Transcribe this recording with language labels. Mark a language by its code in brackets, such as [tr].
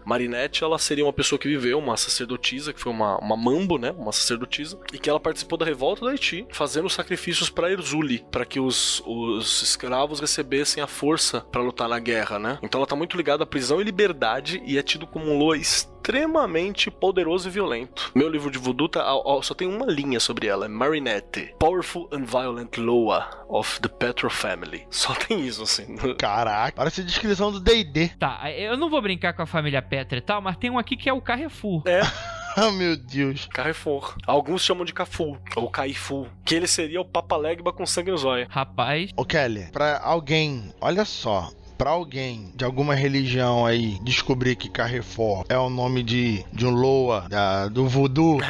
[pt] Marinette, ela seria uma pessoa que viveu, uma sacerdotisa, que foi uma mambo, né, uma sacerdotisa, e que ela participou da revolta do Haiti, fazendo sacrifícios pra Erzuli, pra que os escravos recebessem a força pra lutar na guerra, né? Então ela tá muito ligada à prisão e liberdade e é tido como um loa extremamente poderoso e violento. Meu livro de voodoo só tem uma linha sobre ela, é Marinette. [en] Powerful and violent loa of the Petro family. [pt] Só tem isso, assim. Caraca, parece a descrição do D&D. Tá, eu não vou brincar com a família Petra e tal, mas tem um aqui que é o Carrefour. É. Ah, oh, meu Deus. Carrefour. Alguns chamam de Cafu, ou Caifu. Que ele seria o Papa Legba com sangue no zóio. Rapaz. Ô, Kelly, pra alguém, olha só, pra alguém de alguma religião aí descobrir que Carrefour é o nome de um loa, do voodoo...